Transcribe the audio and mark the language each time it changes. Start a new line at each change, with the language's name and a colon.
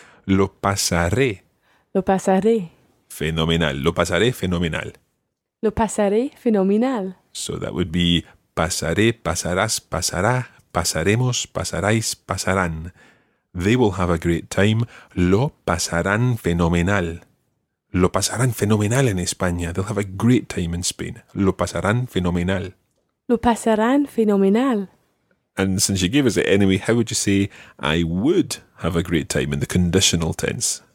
Spanish: Lo pasaré. Lo pasaré. Fenomenal. Lo pasaré fenomenal. Lo pasaré fenomenal.
English: So that would be
Spanish: pasaré, pasarás, pasará, pasaremos, pasaráis, pasarán.
English: They will have a great time.
Spanish: Lo pasarán fenomenal. Lo pasarán fenomenal en España.
English: They'll have a great time in Spain.
Spanish: Lo pasarán fenomenal. Lo pasarán fenomenal.
English: And since you gave us it anyway, how would you say, I would have a great time in the conditional tense?